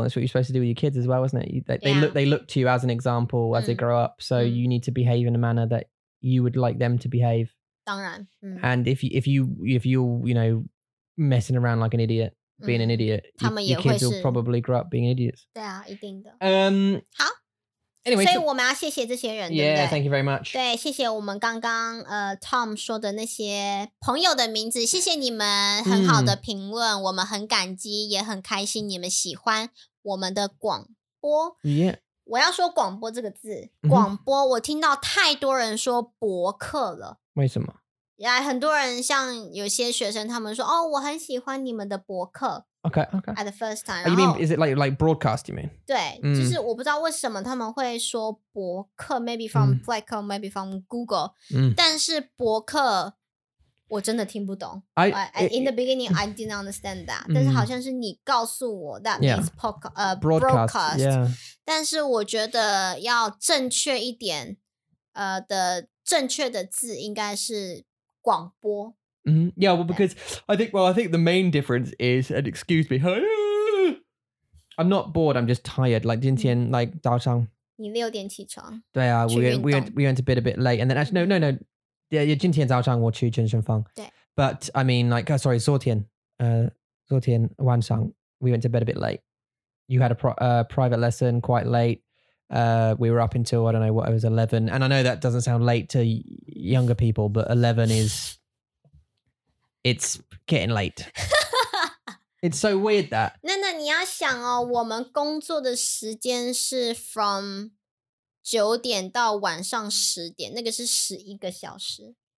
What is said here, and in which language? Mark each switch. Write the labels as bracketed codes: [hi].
[en] That's what you're supposed to do with your kids as well, isn't it? They look to you as an example as they grow up. So you need to behave in a manner that you would like them to behave. [zh] 当然, [en] and if you're messing around like an idiot, being an idiot, your kids will probably grow up being idiots. [zh] 对啊,一定的。 [en] Anyway, [zh] 所以我们要谢谢这些人, [en] yeah, [zh] 对不对? [en] Thank you very much. [zh] 对,谢谢我们刚刚 Tom 说的那些朋友的名字, 谢谢你们很好的评论, 我们很感激, 也很开心你们喜欢我们的广播。 [en] Yeah. [zh] 我要说广播这个字, 广播, 我听到太多人说博客了。为什么? Yeah, 很多人, 像有些学生, 他们说, 哦, 我很喜欢你们的博客。 [en] Okay, okay. At the first time. You mean, is it like broadcast, you mean? [zh] 对,就是我不知道为什么他们会说博客, [en] maybe from Flickr, maybe from Google. [zh] 但是博客,我真的听不懂. [en] In the beginning, I didn't understand that. [zh] 但是好像是你告诉我, [en] that means broadcast. Yeah. [zh] 但是我觉得要正确一点, 正确的字应该是广播。 Mm-hmm. [en] Yeah, well, because I think the main difference is, and excuse me, I'm not bored, I'm just tired. Like, 今天, like, 早上, [zh] 你六点起床, [en] 对啊, we went a bit late, and then actually, no, yeah, [zh] 今天早上我去健身房, 对, [en] but I mean, like, sorry, 昨天晚上, we went to bed a bit late. You had a private lesson quite late. We were up until, I don't know, what it was, 11, and I know that doesn't sound late to younger people, but 11 is... It's getting late. It's so weird that. [zh] 那你要想哦, 我们工作的时间是 from 9点到晚上10点, 那个是11个小时。